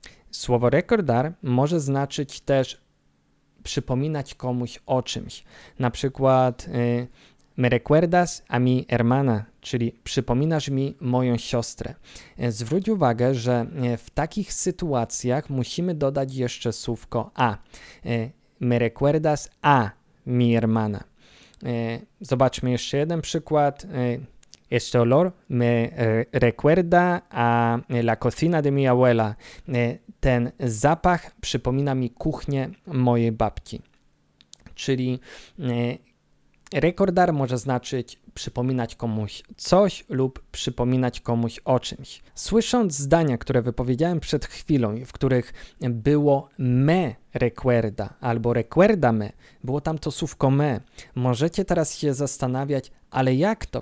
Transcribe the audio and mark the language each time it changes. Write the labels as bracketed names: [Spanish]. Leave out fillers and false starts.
[Polish] Słowo recordar może znaczyć też przypominać komuś o czymś. Na przykład [Spanish] me recuerdas a mi hermana, [Polish] czyli przypominasz mi moją siostrę. Zwróć uwagę, że w takich sytuacjach musimy dodać jeszcze słówko a. [Spanish] Me recuerdas a mi hermana. [Polish] Zobaczmy jeszcze jeden przykład. [Spanish] Este olor me recuerda a la cocina de mi abuela. [Polish] Ten zapach przypomina mi kuchnię mojej babci. Czyli recordar może znaczyć przypominać komuś coś lub przypominać komuś o czymś. Słysząc zdania, które wypowiedziałem przed chwilą, w których było [Spanish] me recuerda [Polish] albo recuerda me, było tam to słówko me, możecie teraz się zastanawiać, ale jak to?